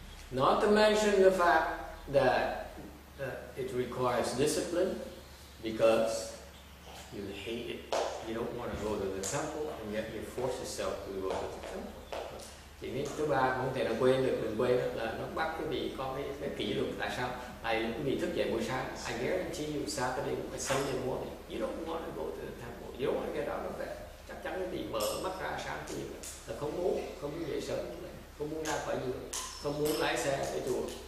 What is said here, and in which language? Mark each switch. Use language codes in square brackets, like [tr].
[en] Not to mention the fact that it requires discipline. Because you hate it, you don't want to go to the temple, and yet you force yourself to go to the temple. [vi] Chỉ biết thứ ba không thể nào quên được, đừng quên là nó bắt quý vị có cái kỷ luật. Tại sao? Tại quý vị thức dậy buổi sáng. [en] I guarantee you, Saturday or Sunday morning, you don't want to go to the temple. You don't want to get out of bed. [vi] Chắc chắn quý vị mở mắt ra sáng thì là không muốn, không muốn dậy sớm, không muốn ra khỏi giường, không muốn lái xe để chùa.